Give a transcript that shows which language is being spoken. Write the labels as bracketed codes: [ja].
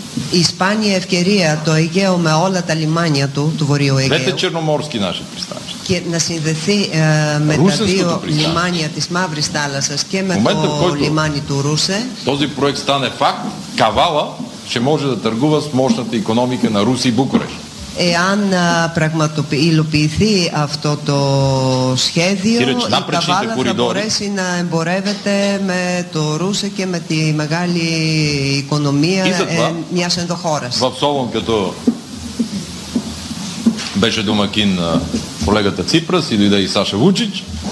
[el] Η Ισπάνια ευκαιρία, το Αιγαίο με όλα τα λιμάνια του, του Βορείου Αιγαίου. Και να συνδεθεί με τα δύο λιμάνια της Μαύρης Θάλασσας και με το λιμάνι του Ρούσε. [bg] Този проект стане факт, Кавала ще може да търгува с мощната икономика на Руси и Букурещ. [el] Εάν υλοποιηθεί αυτό το σχέδιο, η Καβάλα θα μπορέσει να εμπορεύεται με το Ρούσε και με τη μεγάλη οικονομία μιας ενδοχώρας. [bg] Во Солун, като беше домакин на колегата Ципрас и дойде и Саша Вучич,